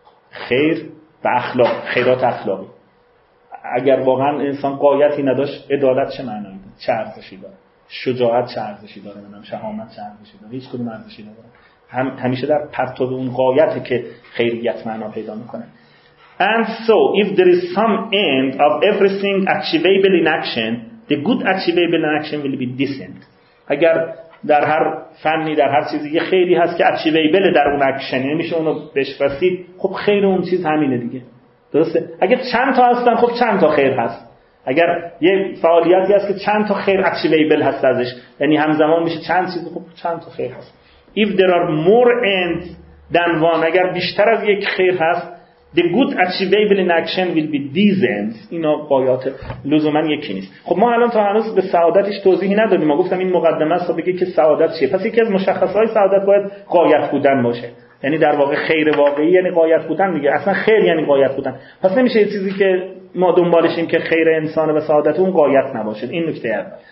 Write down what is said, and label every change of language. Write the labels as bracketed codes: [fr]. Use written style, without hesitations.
[fa] خیر و اخلاق، خیرات اخلاقی، اگر واقعا انسان غایتی نداشت، عدالت چه معنایی داره؟ چه ارزشی داره؟ شجاعت چه ارزشی داره؟ منم شهامت چه ارزشی داره؟ هیچ کدوم ارزشی نداره. همیشه در پرتو اون غایته که خیریت معنا پیدا میکنه. [en] And so if there is some end of everything achievable in action, the good achievable in action will be decent. [fa] اگر در هر فنی، در هر چیزی یه خیری هست که اچیویبل در اون اکشن، یعنی میشه اونو بهش رسید، خب خیر اون چیز همینه دیگه، درسته؟ اگه چند تا هستن، خب چند تا خیر هست. اگر یه فعالیتی هست که چند تا خیر اچیویبل هست ازش، یعنی همزمان میشه چند چیز، خب چند تا خیر هست. [en] If there are more ends than one، [fa] اگر بیشتر از یک خیر هست، [en] the good achievable in action will be these ends. [fa] اینا غایات لزوما یکی نیست. خب ما الان تا هنوز به سعادتش توضیحی ندادیم. ما گفتم این مقدمه است تا بگه که سعادت چیه. پس یکی از مشخصهای سعادت باید غایت بودن باشه، یعنی در واقع خیر واقعی یعنی غایت بودن دیگه. اصلا خیر یعنی غایت بودن. پس نمیشه چیزی که ما دنبالشیم که خیر انسان و سعادت اون غایت نباشه. این نکته اول.